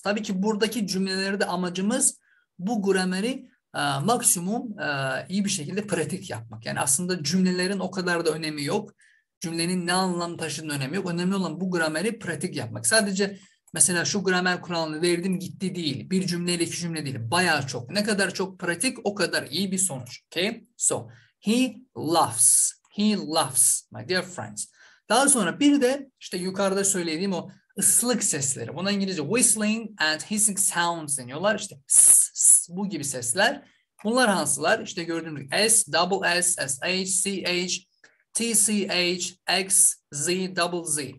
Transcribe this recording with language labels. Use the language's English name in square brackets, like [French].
[Turkish] Tabii ki buradaki cümlelerde amacımız bu grameri maksimum iyi bir şekilde pratik yapmak. Yani aslında cümlelerin o kadar da önemi yok. Cümlenin ne anlam taşıdığının önemi yok. Önemli olan bu grameri pratik yapmak. Sadece mesela şu gramer kuralını verdim gitti değil. Bir cümleyle iki cümle değil. Bayağı çok. Ne kadar çok pratik o kadar iyi bir sonuç. [English] Okay? So, he laughs. He laughs, my dear friends. [Turkish] Daha sonra bir de işte yukarıda söylediğim o ıslık sesleri. Buna İngilizce [English] whistling and hissing sounds [Turkish] deniyorlar. İşte ss, bu gibi sesler. Bunlar hansılar? İşte gördüğünüz gibi S, double S, SH, CH, TCH, X, Z, double Z.